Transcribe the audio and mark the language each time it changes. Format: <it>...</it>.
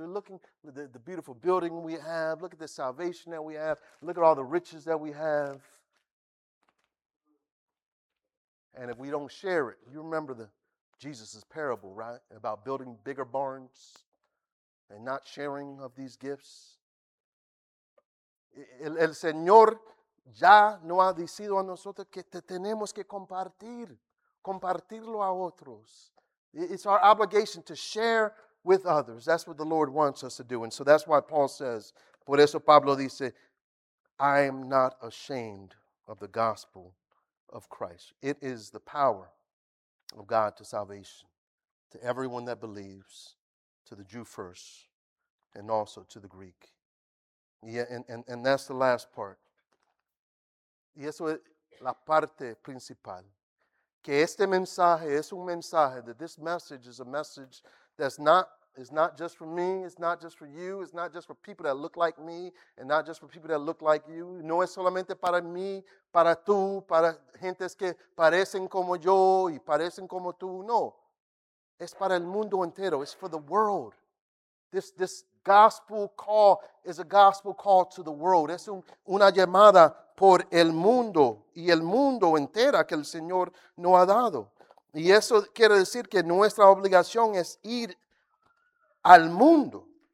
<en>We're looking at the beautiful building we have. Look at the salvation that we have. Look at all the riches that we have. And if we don't share it, you remember the Jesus' parable, right? About building bigger barns and not sharing of these gifts.</en> <es>El Señor ya no ha dicho a nosotros que tenemos que compartirlo a otros.</es> <en>It's our obligation to share with others. That's what the Lord wants us to do. And so that's why Paul says,</en> <es>por eso Pablo dice,</es> <en>I am not ashamed of the gospel of Christ. It is the power of God to salvation to everyone that believes, to the Jew first and also to the Greek. Yeah, and that's the last part.</en> <es>Y eso es la parte principal. Que este mensaje es un mensaje,</es> <en>that this message is a message that's not, is not just for me, it's not just for you, it's not just for people that look like me, and not just for people that look like you.</en> <es>No es solamente para mí, para tú, para gentes que parecen como yo y parecen como tú. No, es para el mundo entero.</es> <en>It's for the world. This gospel call is a gospel call to the world.</en> <es>Es una llamada por el mundo y el mundo entero que el Señor nos ha dado. Y eso quiere decir que nuestra obligación es ir al mundo.</es>